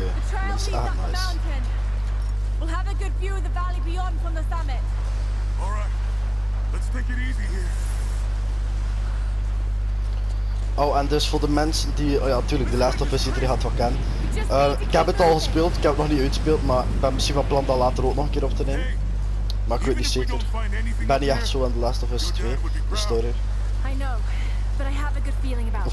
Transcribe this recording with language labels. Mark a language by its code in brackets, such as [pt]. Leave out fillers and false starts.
[en] The trail leads up the mountain. We'll have a good view of the valley beyond from the summit. All right, let's take it easy here. [nl] Oh, en dus voor de mensen die... Oh ja, natuurlijk, de Last of Us die gaat wel kennen. Ik heb het al gespeeld, ik heb het nog niet uitgespeeld, maar ik ben misschien van plan dat later ook nog een keer op te nemen. Maar ik weet niet zeker. Ik ben niet echt zo aan de Last of Us 2, de story. [en] I know, but I have a good feeling about